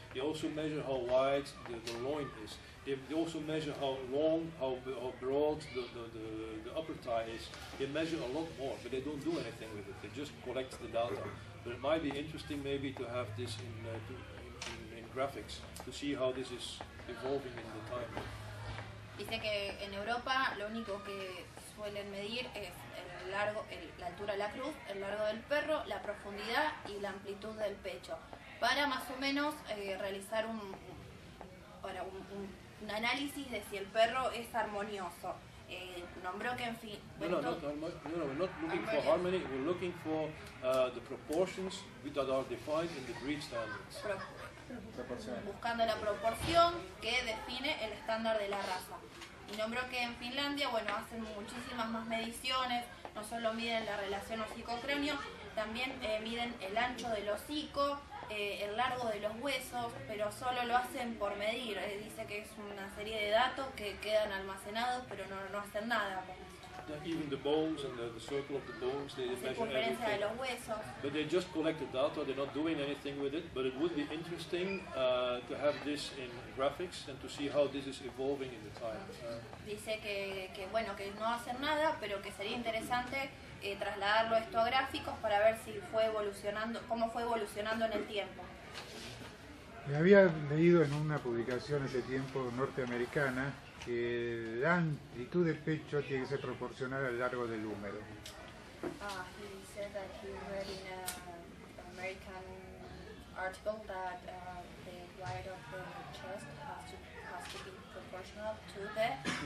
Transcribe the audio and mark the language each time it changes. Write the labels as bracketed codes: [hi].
[en] They also measure how wide the loin is. They also measure how long, how broad the upper thigh is. They measure a lot more, but they don't do anything with it. They just collect the data. But it might be interesting maybe to have this in graphics, to see how this is evolving in the time. [es] Dice que en Europa lo único que suelen medir es la altura de la cruz, el largo del perro, la profundidad y la amplitud del pecho. Para más o menos realizar un análisis de si el perro es armonioso. Nombró que en fin. [en] No, we're not looking for harmony, we're looking for the proportions that are defined in the breed standards. [es] Buscando la proporción que define el estándar de la raza. Y nombró que en Finlandia, bueno, hacen muchísimas más mediciones, no solo miden la relación hocico-cráneo, también miden el ancho del hocico, el largo de los huesos, pero solo lo hacen por medir. Dice que es una serie de datos que quedan almacenados, pero no hacen nada. [en] even the bones and the circle of the bones, they measure everything. [es] De los huesos. [en] But they just collected data, they're not doing anything with it, but it would be interesting to have this in graphics and to see how this is evolving in the time. [es] Dice que bueno, que no hacer nada, pero que sería interesante trasladarlo esto a gráficos para ver si fue evolucionando, cómo fue evolucionando en el tiempo. Me había leído en una publicación hace tiempo norteamericana que la amplitud del pecho tiene que ser proporcional al largo del húmero. [en] Ah, he said that he read in an American article that the wide of the chest has to be proportional to the